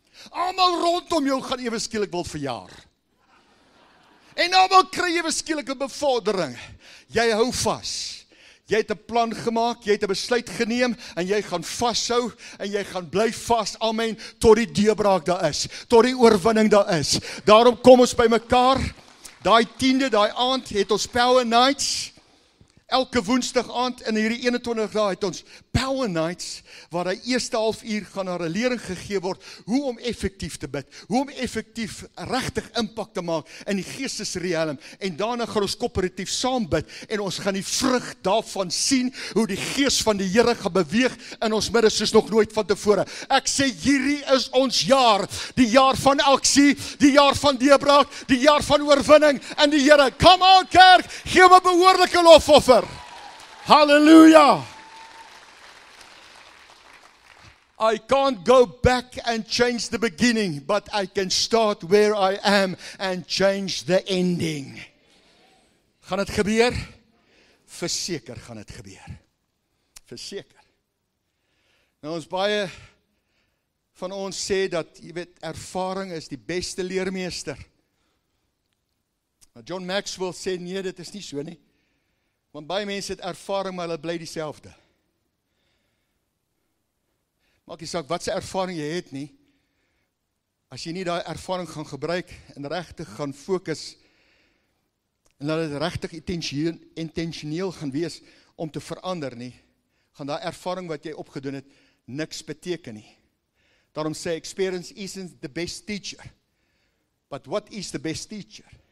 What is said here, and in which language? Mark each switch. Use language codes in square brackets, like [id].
[af] Almal rondom jou gaan ewe skielik wil verjaar. En almal kry ewe skielik 'n bevordering. Jy hou vas. Jy het 'n plan gemaak, jy het 'n besluit geneem, en jy gaan vashou, en jy gaan bly vas, amen, tot die deurbraak daar is, tot die oorwinning daar is. Daarom kom ons by mekaar, daai tiende, daai aand, het ons Power Nights, elke woensdag aand, in hierdie 21 dae het ons Power Nights, waar die eerste half uur gaan naar een lering gegee word, hoe om effectief te bid, hoe om effectief regtig impact te maak in die geestesrealm, en daarna gaan ons coöperatief saam bid, en ons gaan die vrug daarvan sien, hoe die geest van die Here gaan beweeg, in ons midde soos nog nooit van tevore. Ek sê, hierdie is ons jaar, die jaar van aksie, die jaar van deurbraak, die jaar van oorwinning, en die Here, [en] come on [af] kerk, gee my behoorlike lofoffer. Halleluja! [en] I can't go back and change the beginning, but I can start where I am and change the ending. [af] Gaan het gebeur? Verseker gaan het gebeur. Verseker. Nou ons baie van ons sê dat, jy weet, ervaring is die beste leermeester. John Maxwell sê, nee, dit is nie so nie. Want baie mense het ervaring, maar hulle bly dieselfde. Maak jy saak, wat sy ervaring jy het nie, as jy nie die ervaring gaan gebruik, en regtig gaan focus, en dat het regtig intentioneel gaan wees, om te verander nie, gaan die ervaring wat jy opgedoen het, niks beteken nie. Daarom sê, [en] experience isn't the best teacher, but what is the best teacher?